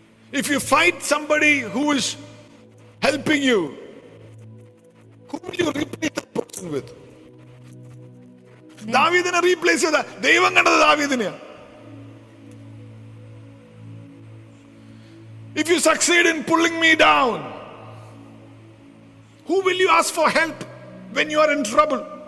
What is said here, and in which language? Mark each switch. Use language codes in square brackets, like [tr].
[en] If you fight somebody who is helping you, who will you replace that person with? [ml] ദാവീദിനെ replace ചെയ്ത ദൈവം കണ്ടത് ദാവീദിനെയാ. [en] If you succeed in pulling me down, who will you ask for help when you are in trouble?